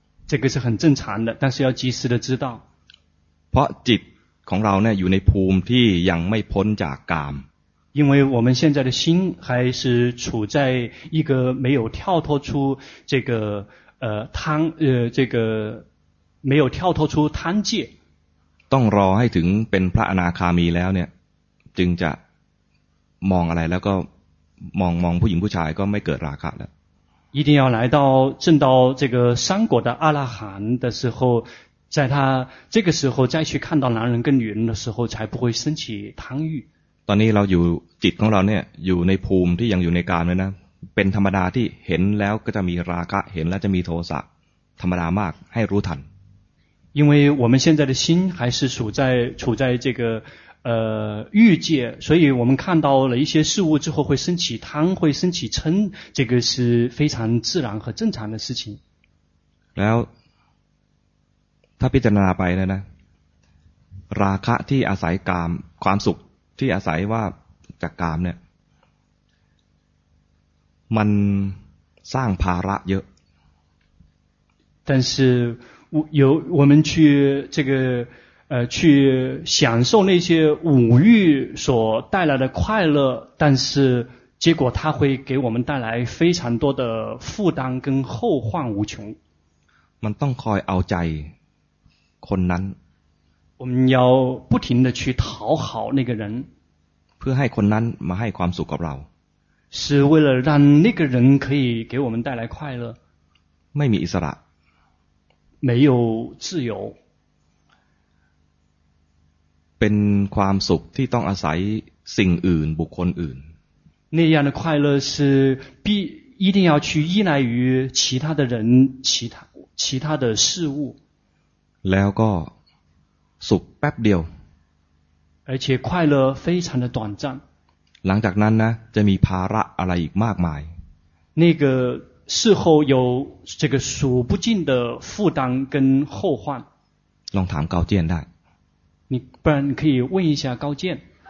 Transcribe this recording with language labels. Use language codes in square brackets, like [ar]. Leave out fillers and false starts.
[zh] 这个是很正常的但是要及时的知道 [th] เพราะจิตของเราเนี่ยอยู่ในภูมิที่ยังไม่พ้นจากกาม [zh] 因为我们现在的心还是处在一个没有跳脱出这个贪这个没有跳脱出贪戒 [th] ต้องรอให้ถึงเป็นพระอนาคามีแล้วเนี่ยจึงจะมองอะไรแล้วก็มองผู้หญิงผู้ชายก็ไม่เกิดราคะแล้ว [zh] 一定要来到正到这个三果的阿拉罕的时候在他这个时候再去看到男人跟女人的时候才不会升起贪欲 [th] ตอนนี้เราอยู่จิตของเราเนี่ยอยู่ในภูมิที่ยังอยู่ในกามเลยนะเป็นธรรมดาที่เห็นแล้วก็จะมีราคะเห็นแล้วจะมีโทสะ ธรรมดามากให้รู้ทัน [zh] 因为我们现在的心还是处在这个欲界，所以我们看到了一些事物之后会升起贪，会升起嗔，这个是非常自然和正常的事情。 [th] แล้วถ้าพิจารณาไปเลยนะราคะที่อาศัยกามความสุขที่อาศัยว่าจากกามเนี่ยมันสร้างภาระเยอะ [zh] 但是有我们去这个去享受那些五欲所带来的快乐，但是结果它会给我们带来非常多的负担跟后患无穷。 [th] มันต้องคอยเอาใจคนนั้น [zh] 我们要不停的去讨好那个人， [th] เพื่อให้คนนั้นมาให้ความสุขกับเรา [zh] 是为了让那个人可以给我们带来快乐。 [th] ไม่มีอิสระ [zh] 没有自由。 [th] เป็นความสุขที่ต้องอาศัยสิ่งอื่นบุคคลอื่น [zh] 那样的快乐是必一定要去依赖于其他的人其他的事物 [th] แล้วก็สุขแป๊บเดียว [zh] 而且快乐非常的短暂 [th] หลังจากนั้นนะจะมีภาระอะไรอีกมากมาย [zh] 那个事后有这个数不尽的负担跟后患 [th] ลองถามเกาเจียนได้ [zh] 你不然你可以问一下高健